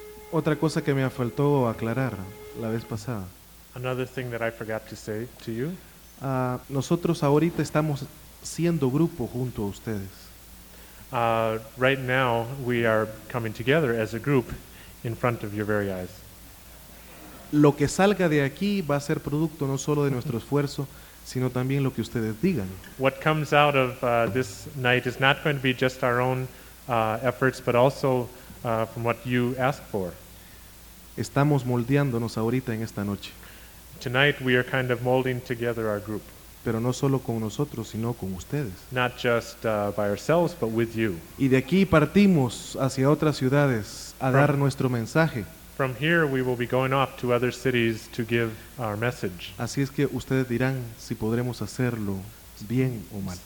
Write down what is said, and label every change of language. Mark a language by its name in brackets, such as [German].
[Spanish] Otra cosa que me faltó aclarar la vez pasada. [English] Another thing that I forgot to say to you. [Spanish] Nosotros ahorita estamos siendo grupo junto a ustedes. [English] Right now we are coming together as a group in front of your very eyes. [Spanish] Lo que salga de aquí va a ser producto no solo de nuestro esfuerzo, sino también lo que ustedes digan. [English] What comes out of this night is not going to be just our own efforts, but also from what you ask for. [Spanish] Estamos moldeándonos ahorita en esta noche. [English] Tonight we are kind of molding together our group. [Spanish] Pero no solo con nosotros, sino con ustedes. [English] Not just by ourselves, but with you. [Spanish] Y de aquí partimos hacia otras ciudades a dar nuestro mensaje. [English] From here we will be going off to other cities to give our message. [Spanish] Así es que ustedes dirán si podremos hacerlo bien o mal.